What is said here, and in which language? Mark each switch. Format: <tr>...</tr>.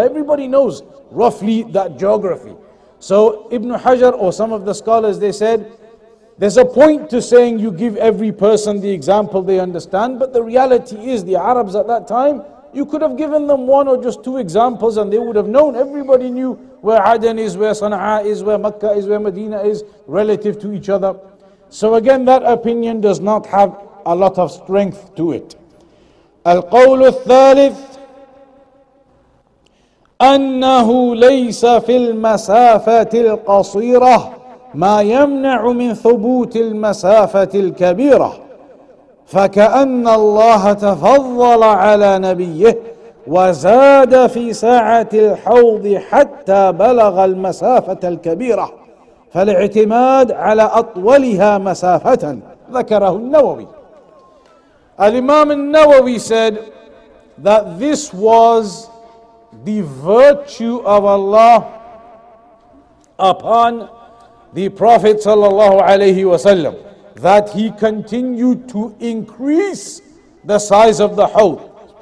<en>Everybody knows roughly that geography. So Ibn Hajar or some of the scholars, they said, there's a point to saying you give every person the example they understand, but the reality is the Arabs at that time, you could have given them one or just two examples and they would have known. Everybody knew where Aden is, where Sana'a is, where Makkah is, where Medina is, relative to each other. So again, that opinion does not have a lot of strength to it.</en> <ar>القول الثالث أنه ليس في المسافة القصيرة ما يمنع من ثبوت المسافة الكبيرة فكأن الله تفضل على نبيه وزاد في ساعة الحوض حتى بلغ المسافة الكبيرة فالاعتماد على أطولها مسافة ذكره النووي.</ar> <en>Al-Imam al-Nawawi said that this was the virtue of Allah upon the Prophet sallallahu alayhi wa sallam, that he continued to increase the size of the hawd.</en>